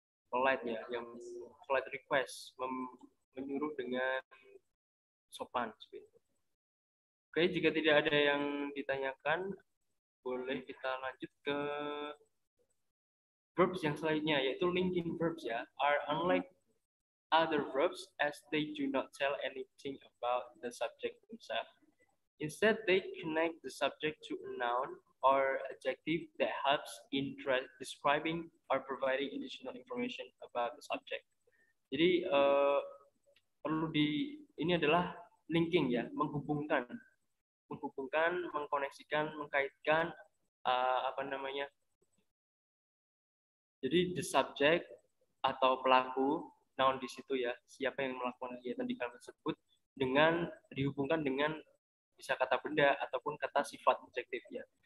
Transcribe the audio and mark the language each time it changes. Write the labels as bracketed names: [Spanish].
[Indonesian] Polite ya, yang polite request, menyuruh dengan sopan. Oke, jika tidak ada yang ditanyakan, boleh kita lanjut ke verbs yang selanjutnya, yaitu linking verbs ya. [English] Are unlike other verbs as they do not tell anything about the subject themselves. Instead, they connect the subject to a noun or adjective that helps in describing or providing additional information about the subject. [Indonesian] Jadi, perlu di, ini adalah linking ya, menghubungkan. Menghubungkan, mengkoneksikan, mengkaitkan, apa namanya. Jadi, the subject atau pelaku, noun di situ ya, siapa yang melakukan kegiatan di kalimat tersebut, dengan, dihubungkan dengan bisa kata benda ataupun kata sifat objektif ya.